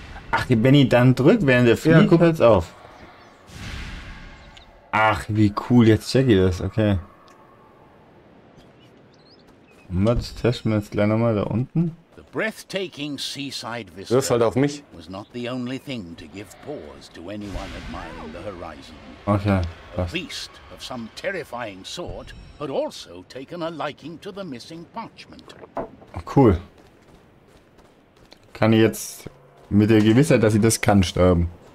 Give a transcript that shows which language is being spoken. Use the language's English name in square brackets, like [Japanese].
[German] Ach, wenn ich dann drück, während der fliegt, ja, hört's auf. Ach, wie cool, jetzt check ich das, okay. Das testen wir jetzt gleich nochmal da unten. [English] Breathtaking seaside vista. [German] Wirf halt auf mich. [English] Was not the only thing to give pause to anyone admiring the horizon. [German] Okay. Passt. [English] A beast of some terrifying sort had also taken a liking to the missing parchment. [German] Oh, cool. Kann ich jetzt mit der Gewissheit, dass ich das kann, sterben?